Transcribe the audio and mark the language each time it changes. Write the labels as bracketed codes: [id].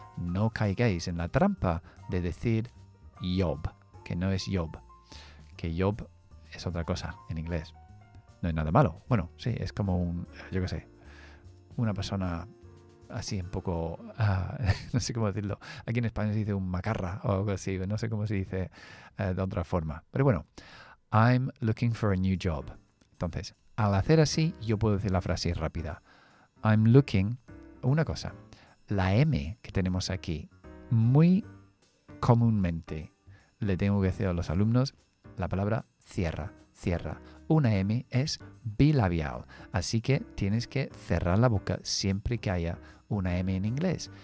[es] No caigáis en la trampa de decir job, que no es job, que job es otra cosa en inglés. No es nada malo. Bueno, sí, es como un, yo qué sé, una persona así un poco, no sé cómo decirlo. Aquí en España se dice un macarra o algo así, no sé cómo se dice de otra forma. Pero bueno, [en] I'm looking for a new job. [es] Entonces, al hacer así, yo puedo decir la frase rápida. [en] I'm looking, [es] una cosa, la M que tenemos aquí, muy comúnmente le tengo que decir a los alumnos la palabra cierra, cierra. Una M es bilabial, así que tienes que cerrar la boca siempre que haya una M en inglés.